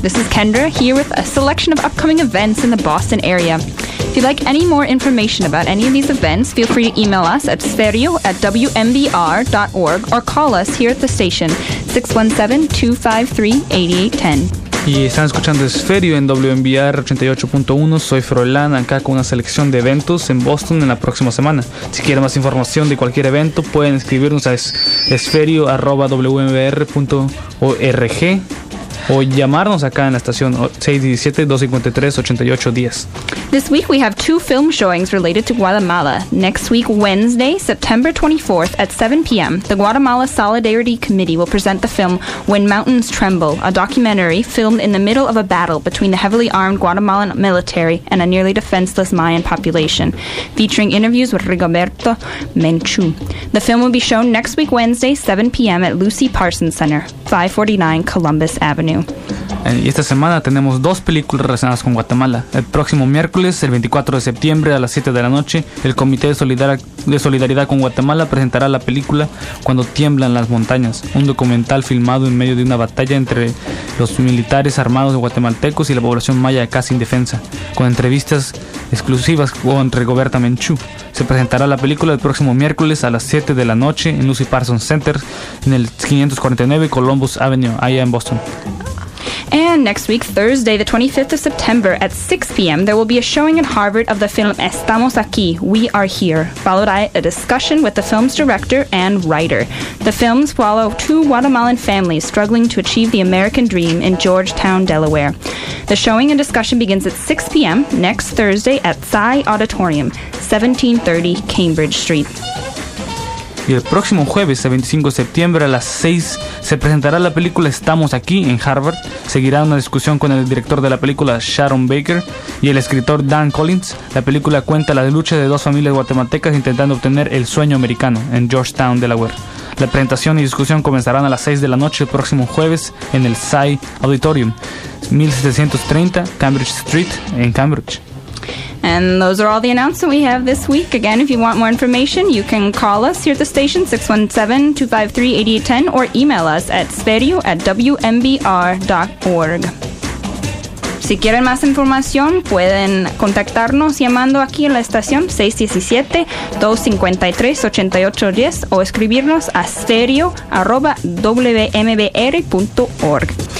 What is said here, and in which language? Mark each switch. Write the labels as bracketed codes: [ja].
[en] This is Kendra here with a selection of upcoming events in the Boston area. If you'd like any more information about any of these events, feel free to email us at sferio@wmbr.org or call us here at the station, 617-253-8810. [es] Y están escuchando Sferio en WMBR 88.1. Soy Froilán, acá con una selección de eventos en Boston en la próxima semana. Si quieren más información de cualquier evento, pueden escribirnos a sferio@wmbr.org o llamarnos acá en la estación 617-253-8810. [en] This week we have two film showings related to Guatemala. Next week, Wednesday, September 24th at 7 p.m., the Guatemala Solidarity Committee will present the film When Mountains Tremble, a documentary filmed in the middle of a battle between the heavily armed Guatemalan military and a nearly defenseless Mayan population, featuring interviews with Rigoberto Menchú. The film will be shown next week, Wednesday, 7 p.m. at Lucy Parsons Center, 549 Columbus Avenue. [es] Y esta semana tenemos dos películas relacionadas con Guatemala. El próximo miércoles, el 24 de septiembre, a las 7 de la noche, el Comité de Solidaridad con Guatemala presentará la película Cuando Tiemblan las Montañas, un documental filmado en medio de una batalla entre los militares armados guatemaltecos y la población maya casi indefensa, con entrevistas exclusivas con Rigoberta Menchú. Se presentará la película el próximo miércoles a las 7 de la noche en Lucy Parsons Center, en el 549 Columbus Avenue, allá en Boston. [en] And next week, Thursday, the 25th of September, at 6 p.m., there will be a showing in Harvard of the film Estamos Aquí, We Are Here, followed by a discussion with the film's director and writer. The films follow two Guatemalan families struggling to achieve the American dream in Georgetown, Delaware. The showing and discussion begins at 6 p.m. next Thursday at Psy Auditorium, 1730 Cambridge Street. [es] Y el próximo jueves, el 25 de septiembre, a las 6, se presentará la película Estamos Aquí, en Harvard. Seguirá una discusión con el director de la película, Sharon Baker, y el escritor Dan Collins. La película cuenta la lucha de dos familias guatemaltecas intentando obtener el sueño americano en Georgetown, Delaware. La presentación y discusión comenzarán a las 6 de la noche el próximo jueves en el Psy Auditorium, 1730 Cambridge Street, en Cambridge. [en] And those are all the announcements we have this week. Again, if you want more information, you can call us here at the station, 617-253-8810, or email us at sferio@wmbr.org. [es] Si quieren más información, pueden contactarnos llamando aquí en la estación, 617-253-8810, o escribirnos a sferio@wmbr.org.